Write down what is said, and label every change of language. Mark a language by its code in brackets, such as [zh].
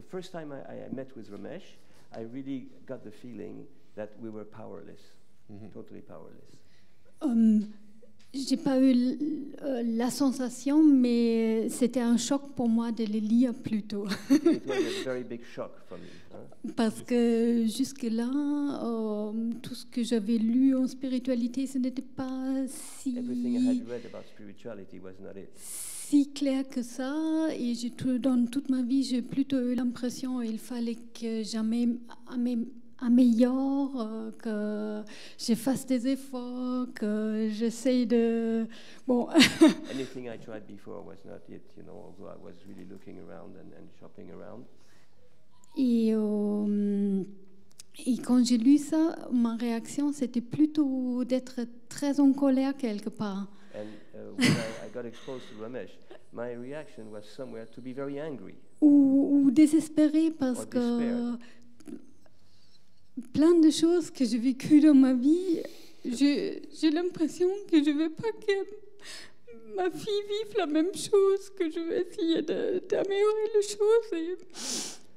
[en] First time I met with Ramesh, I really got the feeling that we were powerless, mm-hmm. totally powerless. [fr] J'ai pas eu la sensation, mais c'était un choc pour moi de les lire plus tôt. [en] It was a very big shock for me. [fr] Parce que jusque-là, tout ce que j'avais lu en spiritualité, ce n'était pas si clair que ça. Et dans toute ma vie, j'ai plutôt eu l'impression qu'il fallait que j'améliore, que je fasse des efforts, que j'essaye de... Bon. [en] Anything I tried before was not yet, you know, although I was really looking around and shopping around. [fr] Et quand j'ai lu ça, ma réaction, c'était plutôt d'être très en colère quelque part. [en] And when I got exposed to Ramesh, my reaction was somewhere to be very angry. [fr] Ou désespéré parce que plein de choses que j'ai vécues dans ma vie, j'ai l'impression que je ne veux pas que ma fille vive la même chose, que je vais essayer d'améliorer les choses.